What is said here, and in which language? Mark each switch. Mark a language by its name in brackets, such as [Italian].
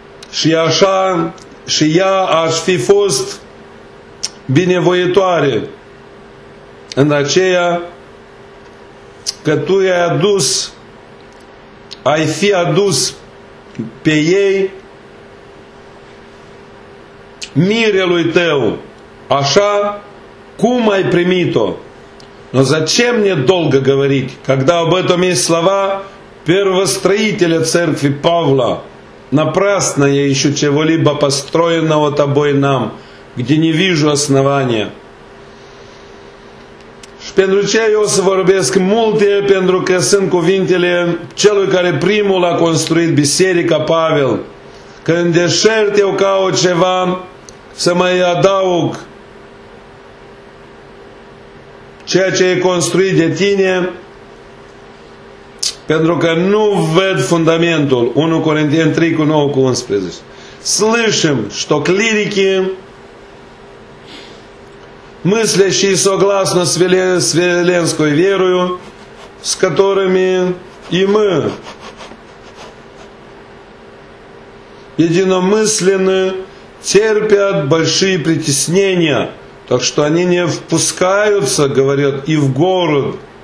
[Romanian] Și așa, și ea aș fi fost binevoitoare în aceea că tu ai adus, ai fi adus pe ei mirelui tău, așa cum ai primit-o. [Russian] Но зачем мне долго говорить, когда об этом есть слова первостроителя церкви Павла? Напрасно я ищу чего-либо построенного тобой нам, где не вижу основания. [Romanian] Pentru ce eu o să vorbesc multe, pentru că sunt cuvintele celui care primul a construit biserica, Pavel. Când în deșert eu caut ceva să mai adaug ceea ce e construit de tine, pentru că nu văd fundamentul. 1 Corinteni 3 cu 9 cu 11. [Russian] Слышим, что клирики мыслящий согласно с вселенской верою, с которыми и мы единомысленны, терпят большие притеснения, так что они не впускаются, говорят, и в город.